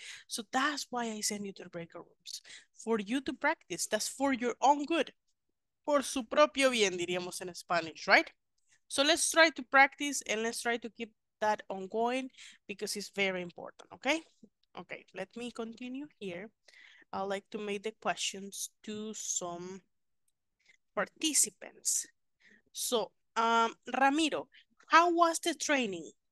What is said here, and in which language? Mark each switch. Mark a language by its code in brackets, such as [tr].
[en] So that's why I send you to the breakout rooms. For you to practice. That's for your own good. [es] Por su propio bien, diríamos en [en] Spanish, right? So let's try to practice and let's try to keep that ongoing because it's very important, okay? Okay, let me continue here. I'd like to make the questions to some participants. So, Ramiro, how was the training?